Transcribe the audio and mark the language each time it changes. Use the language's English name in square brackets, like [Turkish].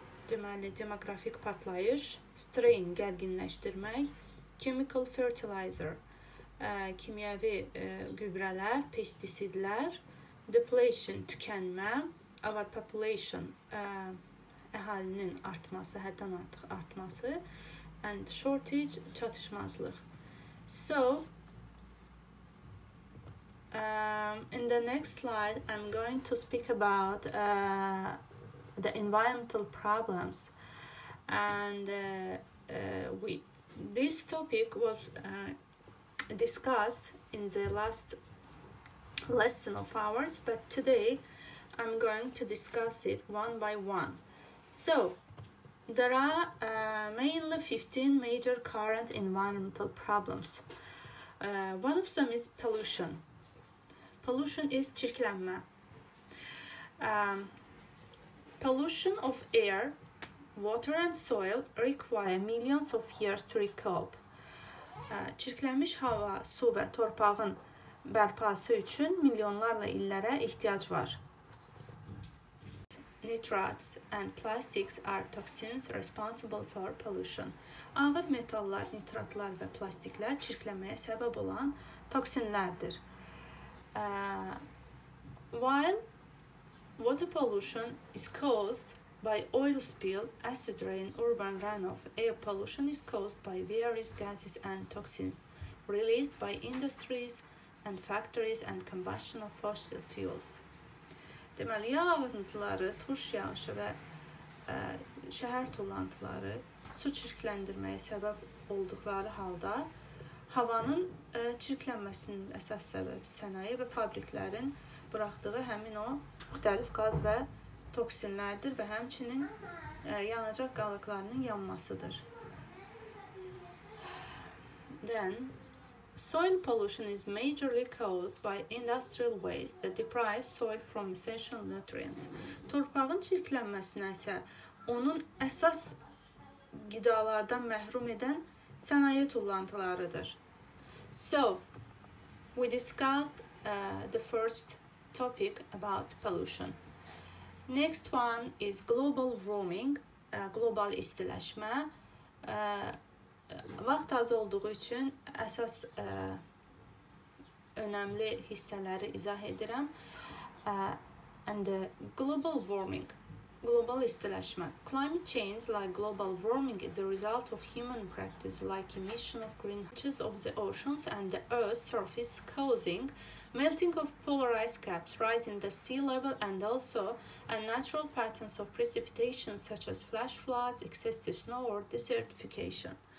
[Azerbaijani] deməli, demografik patlayış, strain, gərginləşdirmək, [English] chemical fertilizer, [Azerbaijani] kimyəvi gübrələr, pestisidlər, depletion, tükənmə, [English] our population, [Azerbaijani] əhalinin artması, həddən artıq artması, [English] and shortage, [Azerbaijani] çatışmazlıq. [English] So, in the next slide, I'm going to speak about the environmental problems, and this topic was discussed in the last lesson of ours, but today I'm going to discuss it one by one. So, there are mainly 15 major current environmental problems. One of them is pollution. Pollution is çirklənmə. Pollution of air, water and soil require millions of years to recoup. [Azerbaijani] Çirklənmiş hava, su və torpağın bərpası üçün milyonlarla illərə ehtiyac var. [English] Nitrates and plastics are toxins responsible for pollution. [Azerbaijani] Ağır metallar, nitratlar və plastiklər çirklənməyə səbəb olan toksinlərdir. [English] While water pollution is caused by oil spill, acid rain, urban runoff, air pollution is caused by various gases and toxins released by industries and factories and combustion of fossil fuels. [Azerbaijani] Deməli, yağıntıları, turş yağışı və şəhər tullantıları su çirkləndirməyə səbəb olduqları halda havanın çirklənməsinin əsas səbəbi sənaye və fabriklərin buraxdığı həmin o müxtəlif qaz və toksinlərdir və həmçinin yanacaq qalıqlarının yanmasıdır. [English] Then, soil pollution is majorly caused by industrial waste that deprives soil from essential nutrients. [Azerbaijani] Torpağın çirklənməsinə isə onun əsas qidalardan məhrum edən sənaye tullantılarıdır. [English] So, we discussed the first topic about pollution. Next one is global warming, [Azerbaijani] global istiləşmə. Vaxt az olduğu üçün əsas önəmli hissələri izah edirəm. [English] And global warming, [Azerbaijani] Global istiləşmə. [English] Climate change, like global warming, is a result of human practice, like emission of greenhouses of the oceans and the earth's surface, causing melting of polar ice caps, rising the sea level, and also unnatural patterns of precipitation, such as flash floods, excessive snow, or desertification.